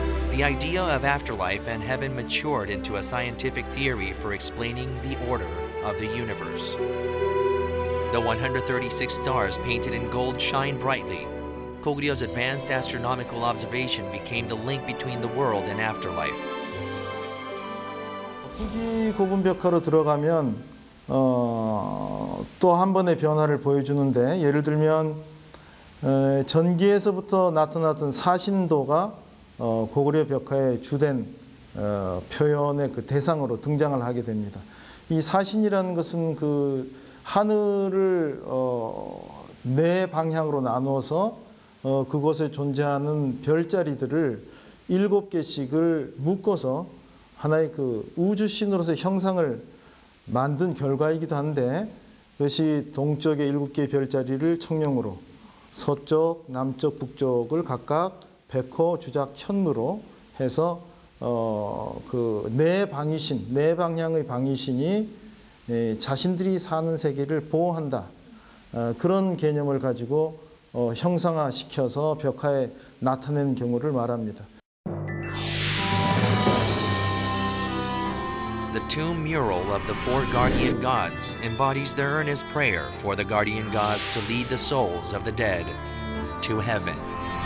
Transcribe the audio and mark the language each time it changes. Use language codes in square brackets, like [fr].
[en] The idea of afterlife and heaven matured into a scientific theory for explaining the order of the universe. The 136 stars painted in gold shine brightly. Goguryeo's advanced astronomical observation became the link between the world and afterlife. [ko] 후기 고분벽화로 들어가면 또 한 번의 변화를 보여주는데 예를 들면 전기에서부터 나타났던 사신도가 고구려 벽화의 주된 표현의 그 대상으로 등장을 하게 됩니다. 이 사신이라는 것은 그 하늘을 네 방향으로 나누어서 그곳에 존재하는 별자리들을 일곱 개씩을 묶어서 하나의 그 우주신으로서의 형상을 만든 결과이기도 한데, 그것이 동쪽의 일곱 개의 별자리를 청룡으로, 서쪽, 남쪽, 북쪽을 각각 백호, 주작, 현무로 해서 그 네 방위신, 네 방향의 방위신이 자신들이 사는 세계를 보호한다. 그런 개념을 가지고 형상화시켜서 벽화에 나타낸 경우를 말합니다. [en] The tomb mural of the four guardian gods embodies their earnest prayer for the guardian gods to lead the souls of the dead to heaven.